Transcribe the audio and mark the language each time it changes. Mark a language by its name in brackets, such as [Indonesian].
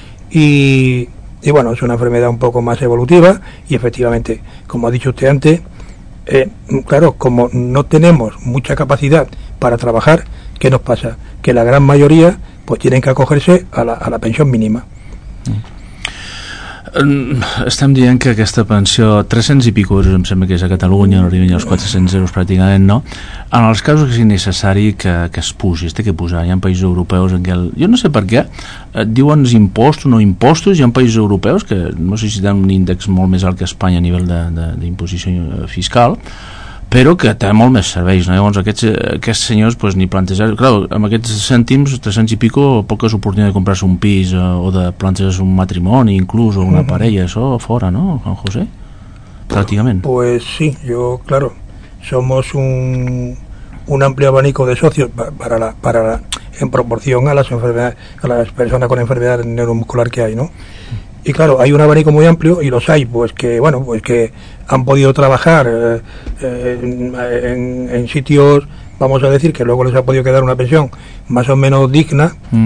[Spanish] Y bueno, es una enfermedad un poco más evolutiva, y efectivamente, como ha dicho usted antes, claro, como no tenemos mucha capacidad para trabajar, ¿qué nos pasa? Que la gran mayoría pues tienen que acogerse a la pensión mínima. [Catalan] Estem dient que aquesta pensió, 300 i pico euros, em sembla que és a Catalunya, no arriben als 400 euros pràcticament, no? En els casos que sigui necessari que es posi, es té que posar, hi ha països europeus en què, jo no sé per què, diuen impostos, no impostos, hi ha països europeus que no sé si tenen un índex molt més alt que Espanya a nivell d'imposició fiscal, però que té molt més serveis, no? Llavors aquests senyors pues, ni plantejar, clar, amb aquests cèntims, 300 i pico, poques oportunitats de comprar-se un pis o de plantejar-se un matrimoni, inclús, o una parella, això fora, no, Juan José? Pràcticament. [Spanish] Pues sí, yo, claro, somos un amplio abanico de socios para la, en proporción a las enfermedades, a las personas con enfermedad neuromuscular que hay, ¿no? Y claro, hay un abanico muy amplio, y los hay pues que, bueno, pues que han podido trabajar en sitios, vamos a decir, que luego les ha podido quedar una pensión más o menos digna,